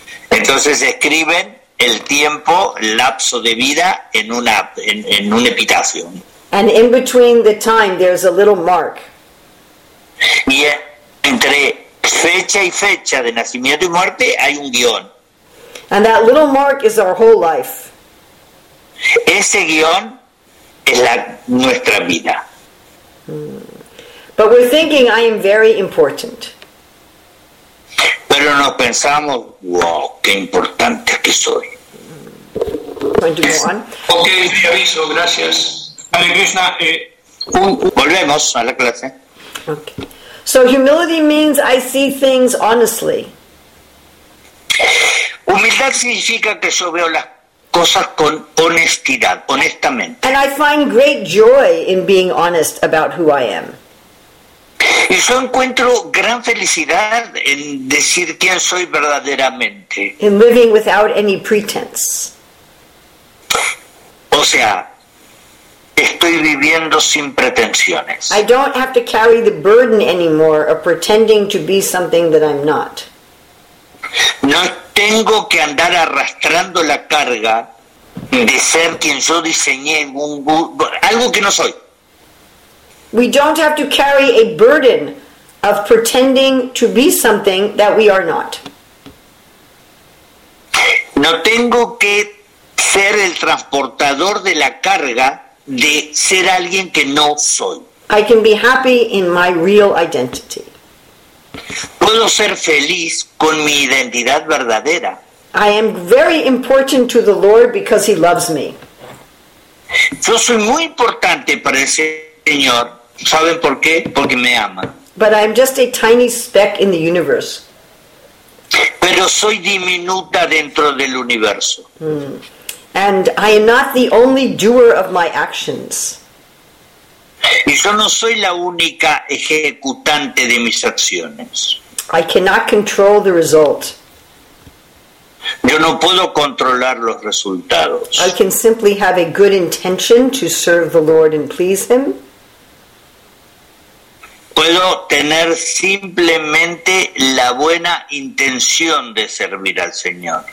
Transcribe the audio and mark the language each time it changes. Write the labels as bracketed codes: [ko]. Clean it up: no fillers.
[es] Entonces escriben el tiempo, el lapso de vida en una en un epitafio. [en] And in between the time there's a little mark. [es] Y entre fecha y fecha de nacimiento y muerte hay un guión. [en] And that little mark is our whole life. [es] Ese guión es la nuestra vida. [en] But we're thinking I am very important. [es] Pero nos pensamos, wow, qué importante que soy. Okay, te aviso, gracias. Hare Krishna, volvemos a la clase. [en] Okay. So humility means I see things honestly. [es] Humildad significa que yo veo las cosas con honestidad, honestamente. [en] And I find great joy in being honest about who I am. [es] Y yo encuentro gran felicidad en decir quién soy verdaderamente. [en] In living without any pretense. [es] O sea, estoy viviendo sin pretensiones. [en] I don't have to carry the burden anymore of pretending to be something that I'm not. [es] No tengo que andar arrastrando la carga de ser quien yo diseñé algo que no soy. [en] We don't have to carry a burden of pretending to be something that we are not. [es] No tengo que ser el transportador de la carga de ser alguien que no soy. [en] I can be happy in my real identity. [es] Puedo ser feliz con mi identidad verdadera. [en] I am very important to the Lord because he loves me. [es] Yo soy muy importante para el Señor. ¿Saben por qué? Porque me ama. [en] But I'm just a tiny speck in the universe. [es] Pero soy diminuta dentro del universo. [en] And I am not the only doer of my actions. [es] Y yo no soy la única ejecutante de mis acciones. [en] I cannot control the result. [es] Yo no puedo controlar los resultados. [en] I can simply have a good intention to serve the Lord and please him. [es] Puedo tener simplemente la buena intención de servir al Señor.